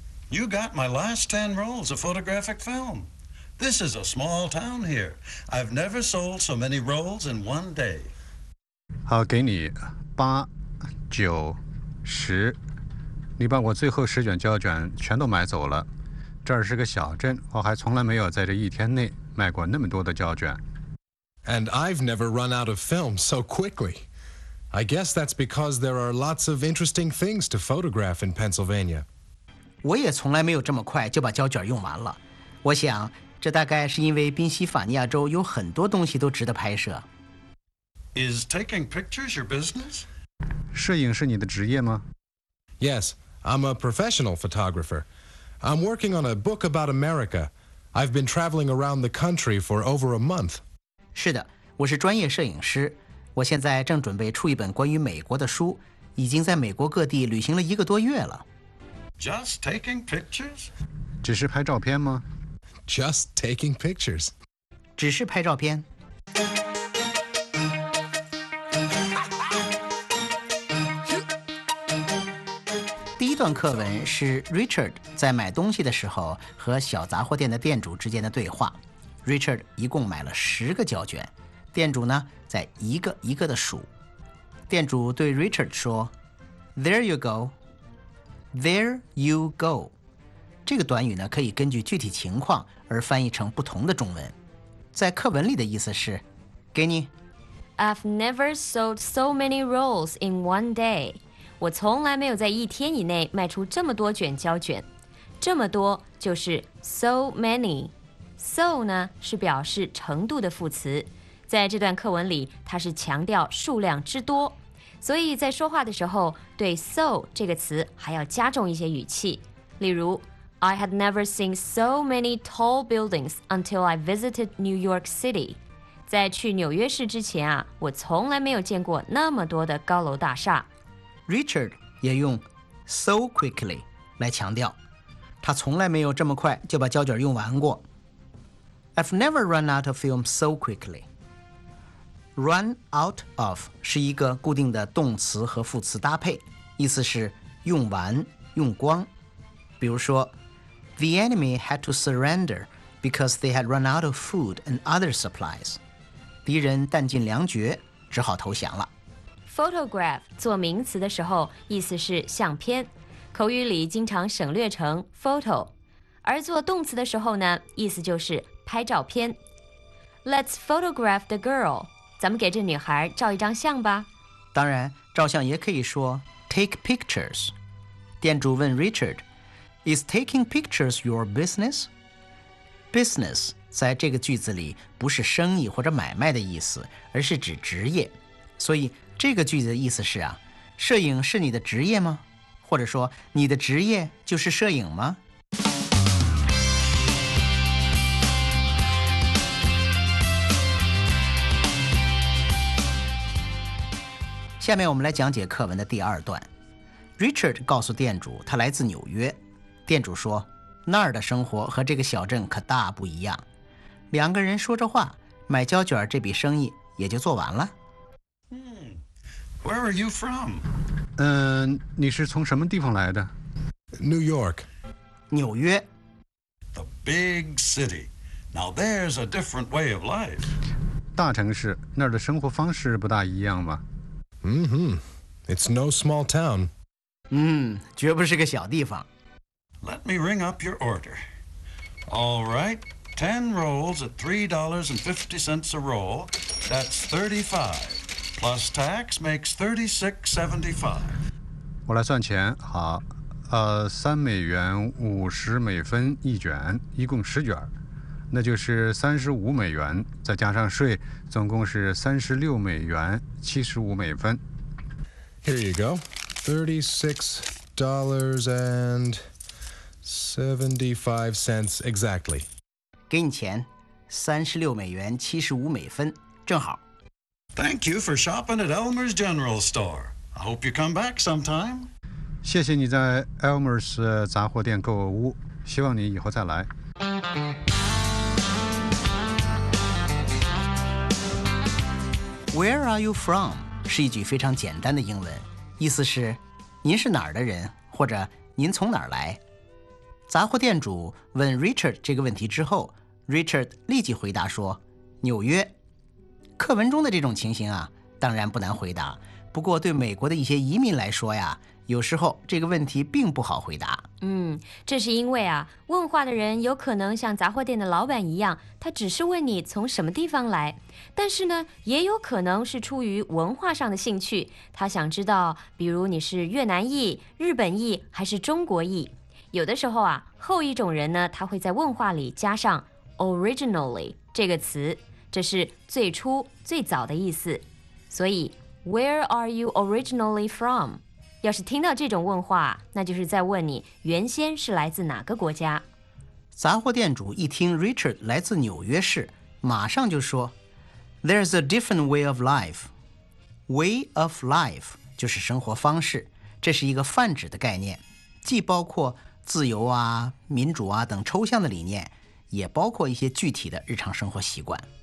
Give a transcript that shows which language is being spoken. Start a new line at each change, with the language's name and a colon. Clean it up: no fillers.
English: You got my last 10 rolls of photographic film. This is a small town here. I've never sold so many rolls in one day.
Chinese: 好，给你八、九、十。你把我最后10卷胶卷全都买走了。这儿是个小镇，我还从来没有在这一天内卖过那么多的胶卷。
English: And I've never run out of film so quickly. I guess that's because there are lots of interesting things to photograph in Pennsylvania.
Chinese: 我也从来没有这么快就把胶卷用完了。我想这大概是因为宾夕法尼亚州有很多东西都值得拍摄。
English: Is taking pictures your business?
Chinese: 摄影是你的职业吗？
English: Yes, I'm a professional photographer. I'm working on a book about America. I've been traveling around the country for over a month.
Chinese: 是的，我是专业摄影师。我现在正准备出一本关于美国的书，已经在美国各地旅行了一个多月了。
English: Just taking pictures?
Chinese: 只是拍照片吗？
English: Just taking pictures.
Chinese: 只是拍照片。第一段课文是 Richard 在买东西的时候和小杂货店的店主之间的对话。 Richard 一共买了10个胶卷，店主呢在一个一个的数。店主对 Richard 说 ：
English: “There you go. There you go.”
Chinese: 这个短语呢，可以根据具体情况而翻译成不同的中文。在课文里的意思是，给你。
English: I've never sold so many rolls in one day.
Chinese: 我从来没有在一天以内卖出这么多卷胶卷。这么多就是
English: so many.
Chinese: So 呢，是表示程度的副词。在这段课文里，它是强调数量之多。所以在说话的时候，对 so 这个词还要加重一些语气。例如
English: I had never seen so many tall buildings until I visited New York City.
Chinese: 在去纽约市之前啊，我从来没有见过那么多的高楼大厦。 Richard 也用
English: so quickly
Chinese: 来强调，他从来没有这么快就把胶卷用完过。
English: I've never run out of film so quickly. Run out of
Chinese: 是一个固定的动词和副词搭配，意思是用完、用光。比如说
English: The enemy had to surrender because they had run out of food and other supplies.
Chinese: 敌人弹尽粮绝，只好投降了。 Photograph 做名词的时候，意思是相片，口语里经常省略成 photo， 而做动词的时候呢，意思就是拍照片。
English: Let's photograph the girl.
Chinese: 咱们给这女孩照一张相吧。当然，照相也可以说
English: take pictures。
Chinese: 店主问 Richard。
English: Is taking pictures your business?
Chinese: Business 在这个句子里不是生意或者买卖的意思，而是指职业。所以这个句子的意思是啊，摄影是你的职业吗？或者说你的职业就是摄影吗？下面我们来讲解课文的第二段。Richard 告诉店主他来自纽约。店主说，那儿的生活和这个小镇可大不一样。两个人说着话，买胶卷这笔生意也就做完了。
English: Where are you from?
Chinese: 你是从什么地方来的？
English: New York.
Chinese: 纽约。
English: The big city. Now there's a different way of life.
Chinese: 大城市，那儿的生活方式不大一样吧？
English: Mm-hmm. It's no small town.
Chinese: 绝不是个小地方。
English: Let me ring up your order. All right. 10 rolls at $3.50 a roll. That's 35. Plus tax makes $36.75.
Chinese: 我来算钱，好，$3五十美分一卷，一共十卷，那就是$35，再加上税，总共是$36.75。
English: Here you go, $36.75 exactly.
Chinese: 给你钱，$36.75，正好。
English: Thank you for shopping at Elmer's General Store. I hope you come back sometime.
Chinese: 谢谢你在 Elmer's 杂货店购物，希望你以后再来。
English: Where are you from?
Chinese: 是一句非常简单的英文，意思是您是哪儿的人，或者您从哪儿来。杂货店主问 Richard 这个问题之后， Richard 立即回答说，纽约。课文中的这种情形啊，当然不难回答，不过对美国的一些移民来说呀，有时候这个问题并不好回答。这是因为啊，问话的人有可能像杂货店的老板一样，他只是问你从什么地方来，但是呢，也有可能是出于文化上的兴趣，他想知道比如你是越南裔、日本裔还是中国裔。有的时候啊，后一种人呢，他会在问话里加上 originally 这个词，这是最初最早的意思。所以
English: Where are you originally from?
Chinese: 要是听到这种问话，那就是在问你原先是来自哪个国家。杂货店主一听 Richard 来自纽约市，马上就说
English: There's a different way of life. Way of life
Chinese: 就是生活方式，这是一个泛指的概念，既包括自由啊、民主啊等抽象的理念，也包括一些具体的日常生活习惯。